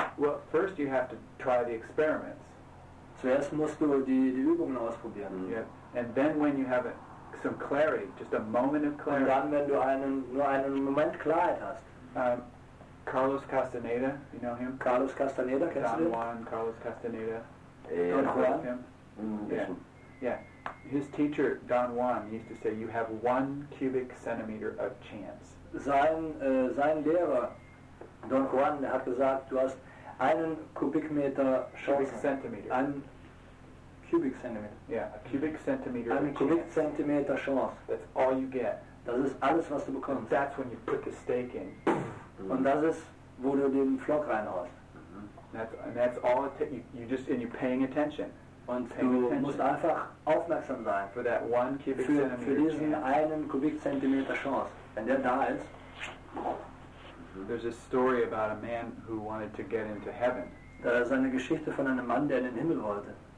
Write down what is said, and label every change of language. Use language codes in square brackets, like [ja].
[en] Well, first you have to try the experiments. [de] Zuerst musst du die Übungen ausprobieren. Mm-hmm. [en] Yeah, and then when you have some clarity, just a moment of clarity. [de] Und dann wenn du nur einen Moment Klarheit hast. [en] Carlos Castaneda, you know him. [de] Carlos Castaneda, kennst du? [en] Don Juan, Carlos Castaneda. Yeah. Don Juan. Yeah. His teacher Don Juan used to say, "You have 1 cubic centimeter of chance." [de] Sein Lehrer Don Juan hat gesagt, du hast 1 Kubikmeter Chance. [en] Cubic centimeter. [de] Ein [en] cubic centimeter. Yeah, a cubic centimeter. [de] Ein [en] cubic centimeter [de] Chance. [en] That's all you get. [de] Das ist alles, was du bekommst. [en] And that's when you put the stake in. Mm-hmm. [de] Und das ist, wo du den Pflock reinhaust. [en] Mm-hmm. That's all. You're paying attention. [de] Und du musst einfach aufmerksam sein [en] for that 1 cubic centimeter [de] für diesen 1 Kubikzentimeter Chance. Wenn der da ist. [en] There's a story about a man who wanted to get into heaven. [de] Da ist eine Geschichte von einem Mann, der in den Himmel wollte.